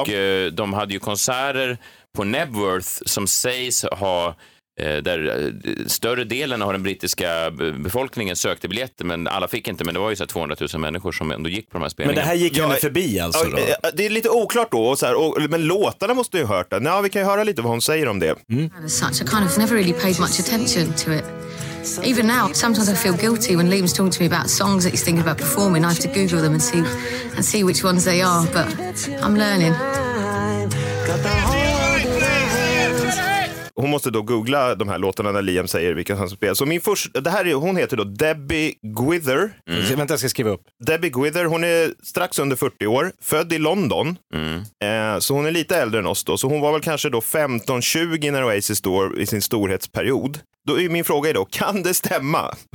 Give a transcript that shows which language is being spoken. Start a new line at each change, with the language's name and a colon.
Swedish: Och de hade ju konserter på Nebworth som sägs ha, där större delen av den brittiska befolkningen sökte biljetter, men alla fick inte. Men det var ju så 200 000 människor som ändå gick på de här spelningarna. Men det här gick henne förbi alltså då? Det är lite oklart då, så här, men låtarna måste ju ha hört det. Ja, vi kan ju höra lite vad hon säger om det.
English: Jag kind of never really paid much attention to it. Even now, sometimes I feel guilty when Liam's talking to me about songs that he's thinking about performing. I have to Google them and see which ones they are, but I'm learning.
Swedish: Hon måste då googla de här låtarna när Liam säger vilka han spelar. Så min första, det här är, hon heter då Debbie Gwither. Mm. Vänta, jag ska skriva upp. Debbie Gwither, hon är strax under 40 år, född i London. Mm. Så hon är lite äldre än oss då. Så hon var väl kanske då 15-20 när Oasis står i sin storhetsperiod. Då är min fråga då, kan det stämma?